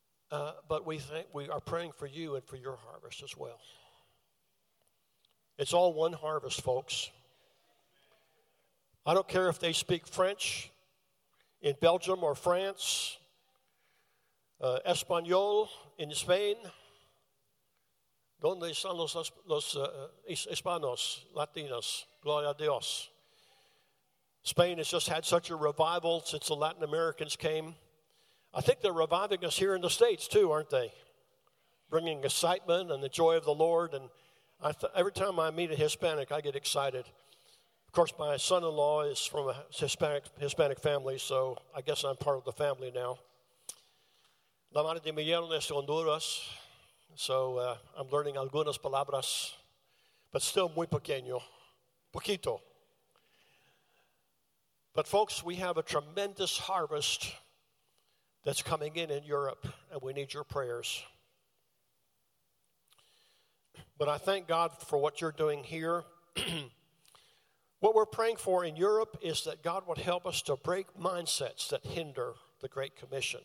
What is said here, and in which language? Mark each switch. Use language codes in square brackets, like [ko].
[en] But we are praying for you and for your harvest as well. It's all one harvest, folks. I don't care if they speak French in Belgium or France, Espanol in Spain. [es] ¿Dónde están los hispanos, latinos? Gloria a Dios. [en] Spain has just had such a revival since the Latin Americans came. I think they're reviving us here in the States too, aren't they? Bringing excitement and the joy of the Lord. And every time I meet a Hispanic, I get excited. Of course, my son-in-law is from a Hispanic family, so I guess I'm part of the family now. [es] La madre de mi hijo es de Honduras, [en] so I'm learning [es] algunas palabras, [en] but still [es] muy pequeño, poquito. [en] But folks, we have a tremendous harvest that's coming in Europe, and we need your prayers. But I thank God for what you're doing here. What we're praying for in Europe is that God would help us to break mindsets that hinder the Great Commission.